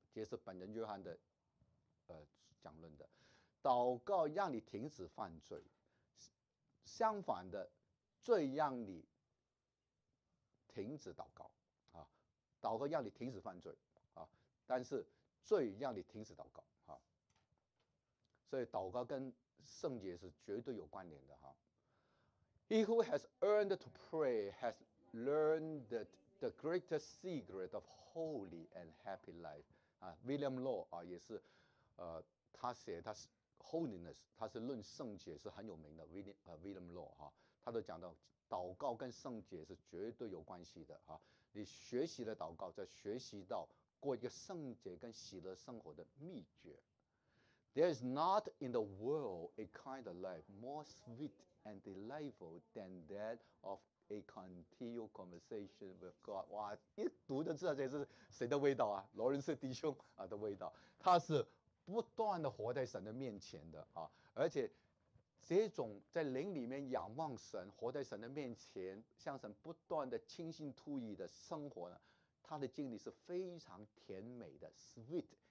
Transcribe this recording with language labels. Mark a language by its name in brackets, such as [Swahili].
[Chinese] 这是本人约翰的讲论的。祷告让你停止犯罪，相反的，罪让你停止祷告。祷告让你停止犯罪，但是罪让你停止祷告。所以祷告跟圣洁是绝对有关联的哈。 [English] He who has earned to pray has learned the greatest secret of holy and happy life. [Chinese] 啊 ，William Law 啊，也是，他写他是 holiness， 他是论圣洁是很有名的 William Law 哈、啊，他都讲到祷告跟圣洁是绝对有关系的哈、啊。你学习了祷告，再学习到过一个圣洁跟喜乐生活的秘诀。 [English] There is not in the world a kind of life more sweet and delightful than that of a continual conversation with God. [Chinese] 哇，一读就知道这是谁的味道啊？罗伦斯弟兄啊的味道。他是不断的活在神的面前的啊，而且这种在灵里面仰望神，活在神的面前，向神不断的倾心吐意的生活呢，他的经历是非常甜美的 ，sweet。